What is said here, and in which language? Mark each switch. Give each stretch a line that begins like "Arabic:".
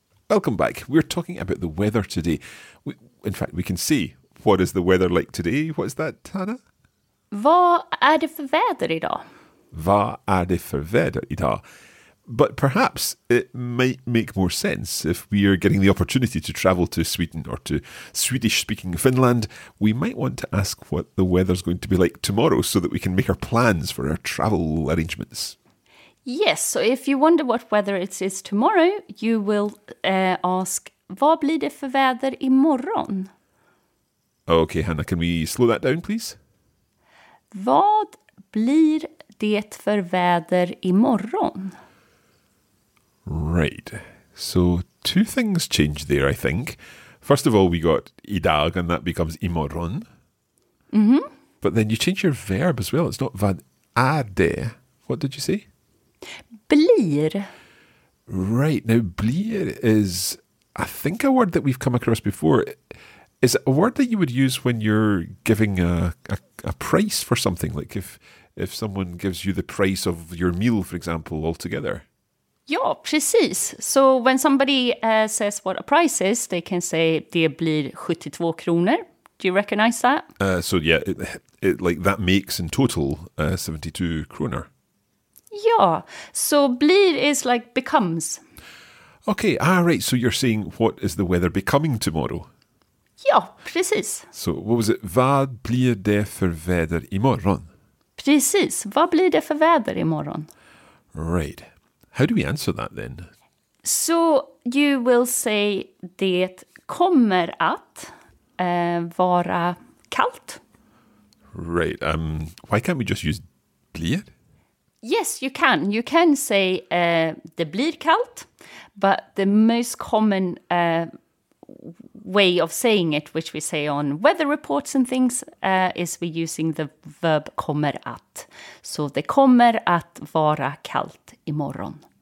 English: Welcome back. We're talking about the weather today. In fact, we can see what is the weather like today. What is that, Tana?
Swedish: Vad är det för väder idag? Vad är det för väder idag?
English: But perhaps it might make more sense if we are getting the opportunity to travel to Sweden or to Swedish-speaking Finland. We might want to ask what the weather's going to be like tomorrow so that we can make our plans for our travel arrangements. Yes, so if you wonder what weather it is tomorrow, you will ask,
Swedish: vad blir det för väder imorgon?
English: Okay, Hannah, can we slow that down, please?
Swedish: Vad blir det för väder imorgon?
English: Right. So two things change there, I think. First of all, we got idag and that becomes imorgon. Mm-hmm. But then you change your verb as well. It's not
Swedish: vad är det.
English: What did you say?
Swedish: Blir.
English: Right. Now, blir is, I think, a word that we've come across before. Is it a word that you would use when you're giving a price for something? Like if someone gives you the price of your meal, for example, altogether.
Swedish: Ja, precis.
English: So when somebody says what a price is, they can say
Swedish: det blir 72 kronor.
English: Do you recognize that? That makes in total 72 kronor.
Swedish: Ja,
English: so blir is like becomes. Okay, right. So you're saying what is the weather becoming tomorrow?
Swedish: Ja, precis.
English: So what was it?
Swedish: Vad blir det för väder imorgon? Precis. Vad blir det för väder imorgon?
English: Right. How do we answer that then? So you will say
Swedish: det kommer att vara kallt.
English: Right. Why can't we just use blir? Yes, you can. You can say
Swedish: det blir kallt,
English: but the most common way of saying it, which we say on weather reports and things, is we're using the verb kommer att. So
Swedish: det kommer att vara kallt imorgon.